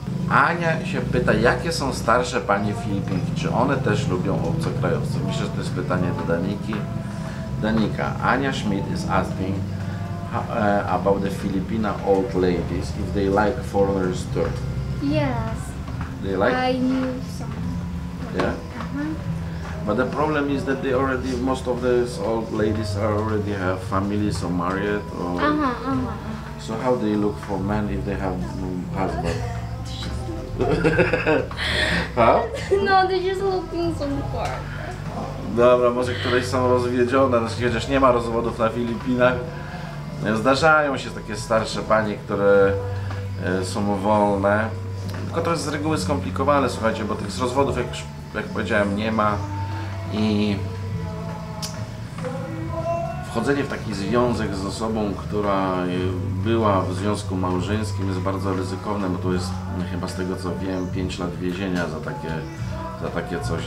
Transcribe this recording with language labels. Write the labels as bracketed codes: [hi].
[pl] Ania się pyta, jakie są starsze panie Filipinki, czy one też lubią obcokrajowców? Myślę, że to jest pytanie do Daniki. [en] Danika, Ania Schmidt is asking about the Filipina old ladies, if they like foreigners too. Yes. They like? I knew some. Yeah? Uh-huh. But the problem is that they already, most of these old ladies already have families or married or... Uh-huh, uh-huh. So how they look for men if they have husband? Huh? No, they just looking so far. [pl] Dobra, może któreś są rozwiedzione, znaczy, chociaż nie ma rozwodów na Filipinach. Zdarzają się takie starsze panie, które są wolne. Tylko to jest z reguły skomplikowane, słuchajcie, bo tych rozwodów, jak powiedziałem, nie ma. I wchodzenie w taki związek z osobą, która była w związku małżeńskim, jest bardzo ryzykowne, bo to jest, chyba z tego co wiem, 5 lat więzienia za takie coś.